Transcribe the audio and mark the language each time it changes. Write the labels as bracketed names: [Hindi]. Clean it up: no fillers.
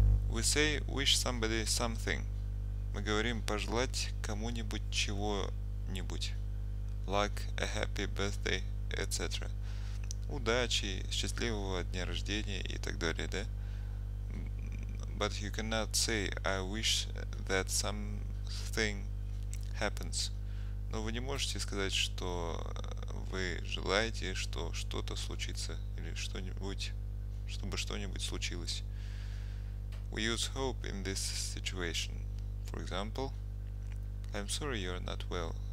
[English] We say wish somebody something. [Russian] Мы говорим пожелать кому-нибудь чего-нибудь. [English] Luck, a happy birthday, etc. [Russian] Удачи, счастливого дня рождения и так далее, да? [English] But you cannot say I wish that something happens. [Russian] Но вы не можете сказать, что вы желаете, что что-то случится или что-нибудь, чтобы что-нибудь случилось. [English] We use hope in this situation. For example, I'm sorry you're not well.